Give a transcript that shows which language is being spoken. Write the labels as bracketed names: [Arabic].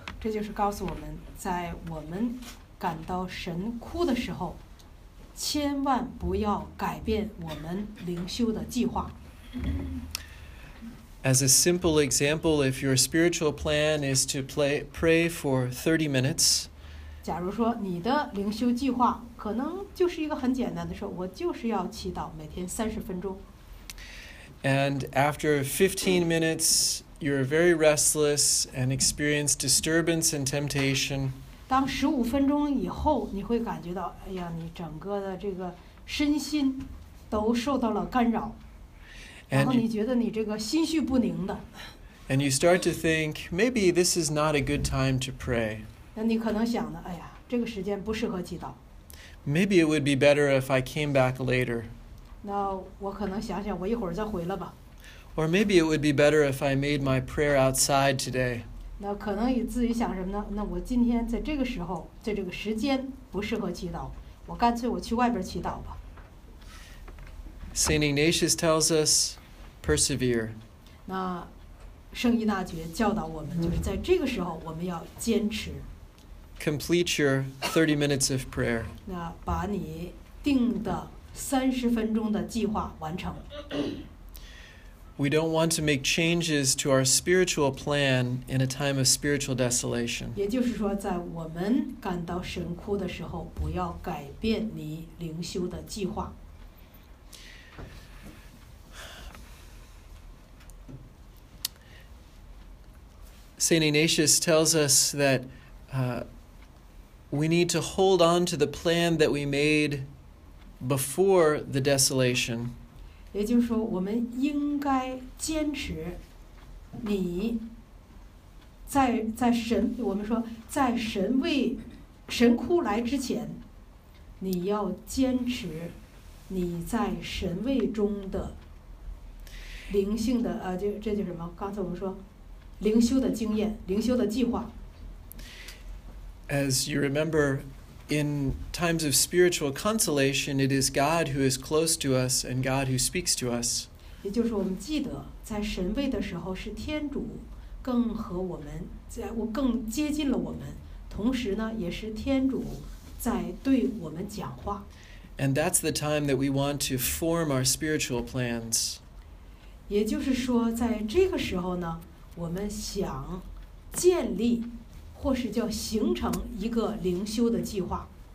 [Chinese] 这就是告诉我们在我们感到神枯的时候，千万不要改变我们灵修的计划。 [English] As a simple example, if your spiritual plan is to pray for 30 minutes, [Chinese] 假如说你的灵修计划可能就是一个很简单的说，我就是要祈祷每天30分钟。 [English] And after 15 minutes, you're very restless and experience disturbance and temptation. [Chinese] 当十五分钟以后，你会感觉到，哎呀，你整个的这个身心都受到了干扰，然后你觉得你这个心绪不宁的。 [English] And you start to think maybe this is not a good time to pray. [Chinese] 那你可能想的，哎呀，这个时间不适合祈祷。 [English] Maybe it would be better if I came back later. [Chinese] 那我可能想想，我一会儿再回来吧。 [English] Or maybe it would be better if I made my prayer outside today. [Chinese] 那可能你自己想什么呢？那我今天在这个时候，在这个时间不适合祈祷，我干脆我去外边祈祷吧。 [English] St. Ignatius tells us, persevere. [Chinese] 那圣依纳爵教导我们，就是在这个时候我们要坚持。 [English] Complete your 30 minutes of prayer. [Chinese] 那把你定的30分钟的计划完成。 [English] We don't want to make changes to our spiritual plan in a time of spiritual desolation. [Chinese] 也就是说，在我们感到神枯的时候，不要改变你灵修的计划。 [English] St. Ignatius tells us that we need to hold on to the plan that we made before the desolation. [Chinese] 也就是说，我们应该坚持你在神，我们说在神位神枯来之前，你要坚持你在神位中的灵性的这就是什么？刚才我们说灵修的经验，灵修的计划。 [English] As you remember, in times of spiritual consolation, it is God who is close to us and God who speaks to us. [Chinese] 也就是我们记得，在神位的时候是天主更和我们在我更接近了我们，同时呢，也是天主在对我们讲话。 [English] And that's the time that we want to form our spiritual plans. [Chinese] 也就是说，在这个时候呢，我们想建立或是叫形成一个灵修的计划。